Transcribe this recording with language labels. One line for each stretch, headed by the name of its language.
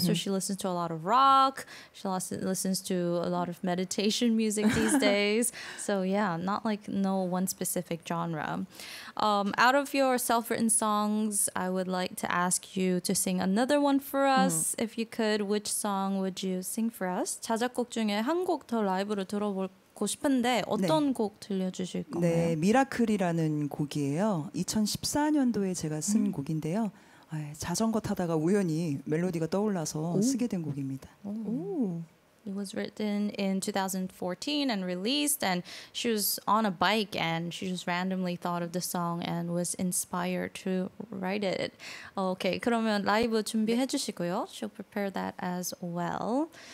English: So she listens to a lot of rock. She listens to a lot of meditation music these days. So yeah, not like no one specific genre. Out of your self-written songs, I would like to ask you to sing another one for us if you could. Which song Song would you sing for us?
Korean: 자작곡 중에 한 곡 더 라이브로 들어볼 고 싶은데 어떤 네. 곡 들려주실 건가요? 네, 미라클이라는 곡이에요. 2014년도에 제가 쓴 곡인데요. 아이, 자전거 타다가 우연히 멜로디가 떠올라서 오. 쓰게 된 곡입니다. 오.
English: It was written in 2014 and released, and she was on a bike and she just randomly thought of the song and was inspired to write it. Okay,
Korean: 그러면 라이브 준비해 주시고요.
English: She'll prepare that as well.